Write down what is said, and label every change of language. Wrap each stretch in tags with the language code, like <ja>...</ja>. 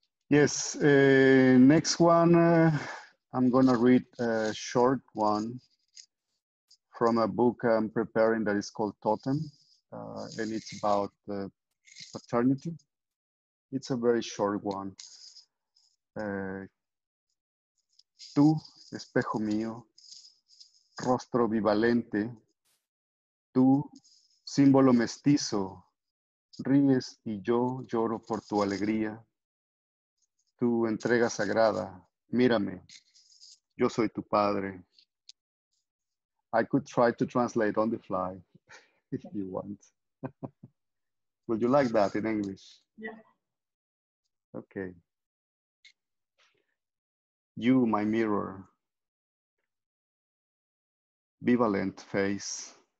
<en>Yes, next one, I'm gonna read a short one from a book I'm preparing that is called Totem, and it's about paternity. It's a very short one.</en> <es>Tú, espejo mío, rostro bivalente, tú, símbolo mestizo, ríes y yo lloro por tu alegría. Tú, entrega sagrada, mírame, yo soy tu padre.</es> <en>I could try to translate on the fly if you want. Would you like that in English? Yeah. Okay. You, my mirror, bivalent face.</en>